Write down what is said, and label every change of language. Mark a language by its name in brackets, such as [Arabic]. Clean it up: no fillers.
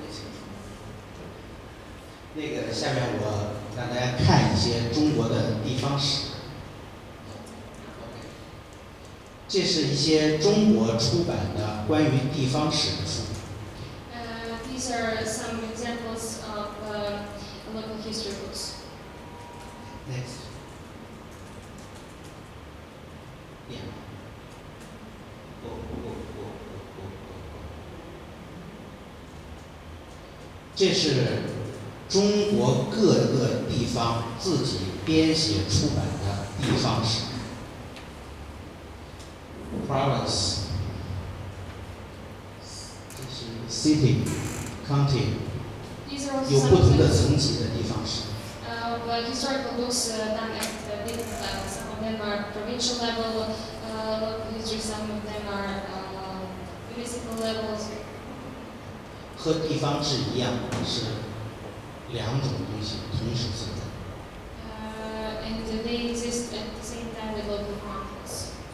[Chinese] 大概就可以，不用讲那些。那个，下面我让大家看一些中国的地方史。这是一些中国出版的关于地方史的书。 [English] These are some examples of local history books. Next. Yeah. Go, go, go, go, go, go. [Chinese] 这是中国各个地方自己编写出版的地方史。 Province, 这是 city, county, 有不同的层级的地方史。 [English] Historical books done at different levels. Some of them are provincial level, local history. Some of them are municipal levels. [Chinese] 和地方志一样，是两种东西同时存在。 [English] And they exist at the same time with local chronicles.